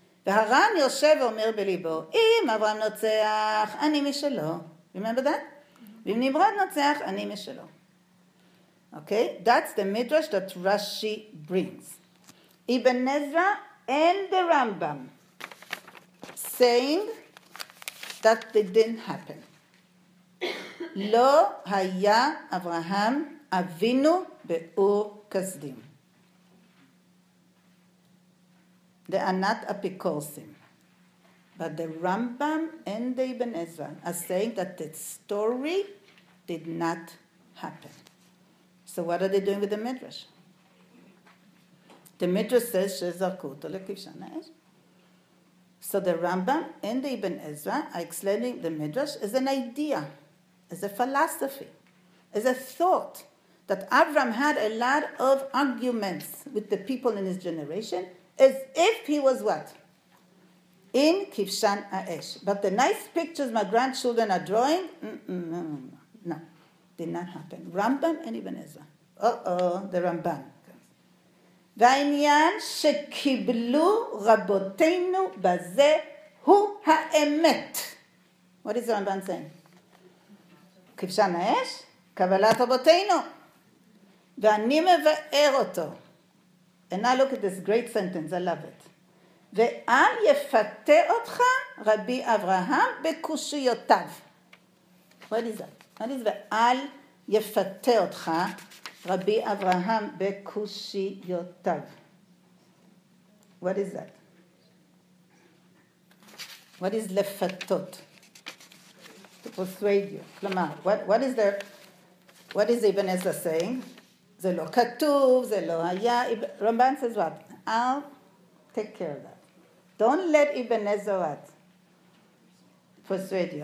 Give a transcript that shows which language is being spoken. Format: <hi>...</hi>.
<he>V'haran yoshev ואומר בליבו, אם Avraham נוצח, אני משלו.</he> <en>Remember that?</en> <he>ואם נמרוד נוצח, אני משלו. Okay?</he> <en>That's the midrash that Rashi brings. Ibn Ezra and the Rambam saying that it didn't happen.</en> <he>לא היה אברהם אבינו באור כסדים.</he> <en>They are not apikorsim. But the Rambam and the Ibn Ezra are saying that the story did not happen. So what are they doing with the Midrash? The Midrash says,</en> <he>Shezarku to lekivshan ha'esh.</he> <en>So the Rambam and the Ibn Ezra are explaining the Midrash as an idea, as a philosophy, as a thought that Avram had a lot of arguments with the people in his generation as if he was what? in Kivshan Ha'esh. But the nice pictures my grandchildren are drawing, no, did not happen. Ramban and Ibn Ezra. The Ramban.</en> <he>והעניין שקיבלו רבותינו בזה הוא האמת.</he> <en>What is the Ramban saying? כבשן האש?</en> <he>קבלת רבותינו. ואני מבאר אותו.</he> <en>And now look at this great sentence, I love it.</en> <he>ואל יפתה אותך רבי אברהם בקושיותיו. What is that?</he> <en>What is</en> <he>ואל יפתה אותך רבי אברהם בקושיותיו.</he> <en>What is that? What is לפתות? To persuade you. כלומר, what is there? What is Ibn Ezra saying?</en> <he>זה לא כתוב, זה לא היה.</he> <en>Ramban says what? I'll take care of that. Don't let Ibn Ezra what? Persuade you.</en>